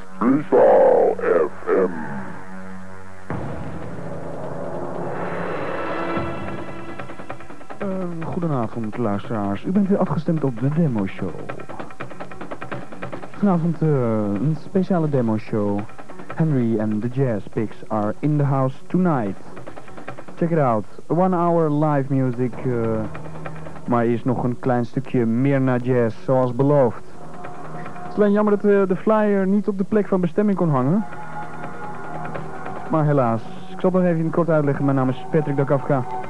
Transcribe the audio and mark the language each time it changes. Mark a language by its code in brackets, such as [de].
[nl] Freestyle FM. Goedenavond, luisteraars. U bent weer afgestemd op de Demo Show. Vanavond een speciale demo show. [en] Henry and the Jazz Picks are in the house tonight. Check it out. 1 hour live music. [nl] Maar hier is nog een klein stukje meer naar jazz, zoals beloofd. Het is alleen jammer dat de flyer niet op de plek van bestemming kon hangen. Maar helaas, ik zal het nog even kort uitleggen. Mijn naam is Patrick Dakafka.